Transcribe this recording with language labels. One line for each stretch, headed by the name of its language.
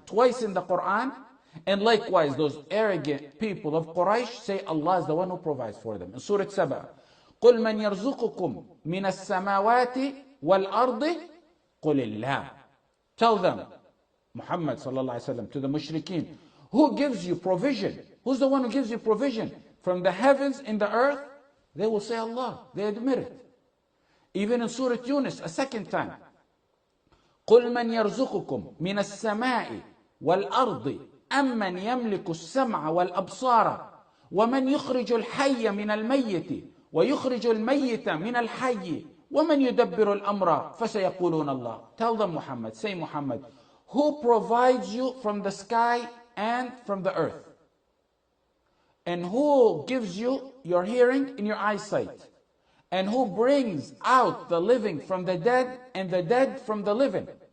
English: Twice in the Quran, and likewise, those arrogant people of Quraysh say Allah is the one who provides for them. In Surah Sabah,
Arabic: قُلْ مَن يَرْزُقُكُمْ مِنَ السَّمَاوَاتِ وَالْأَرْضِ قُلِ اللَّهِ.
English: Tell them, Muhammad
Arabic: صلى الله عليه وسلم,
English: to the mushrikeen, who gives you provision? Who's the one who gives you provision from the heavens and the earth? They will say Allah. They admit it. Even in Surah Yunus, a second time,
Arabic: قُلْ مَنْ يَرْزُقُكُمْ مِنَ السَّمَاءِ وَالْأَرْضِ أَمَّنْ يَمْلِكُ السَّمْعَ وَالْأَبْصَارَ وَمَنْ يُخْرِجُ الْحَيَّ مِنَ الْمَيِّتِ وَيُخْرِجُ الْمَيِّتَ مِنَ الْحَيِّ وَمَنْ يُدَبِّرُ الْأَمْرَ فَسَيَقُولُونَ اللَّهِ.
English: Tell them, Muhammad, say Muhammad, who provides you from the sky and from the earth? And who gives you your hearing and your eyesight? And who brings out the living from the dead and the dead from the living?